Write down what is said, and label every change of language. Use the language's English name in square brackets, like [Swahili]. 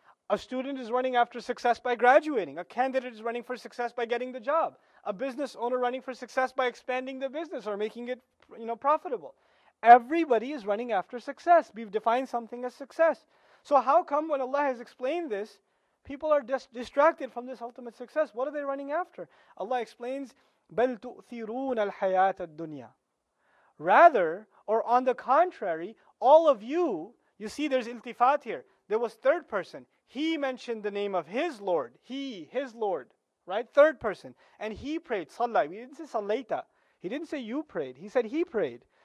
[English] A student is running after success by graduating. A candidate is running for success by getting the job. A business owner running for success by expanding the business or making it, you know, profitable. Everybody is running after success. We've defined something as success. So how come when Allah has explained this, people are distracted from this ultimate success? What are they running after? Allah explains, [Arabic] بَلْ تُؤْثِرُونَ الْحَيَاةَ الدُّنْيَا. [English] Rather, or on the contrary, all of you, you see there's iltifat here. There was third person. He mentioned the name of his Lord. His Lord, right? Third person. And he prayed, صَلَّى. He didn't say صَلَّيْتَ. He didn't say you prayed. He said he prayed.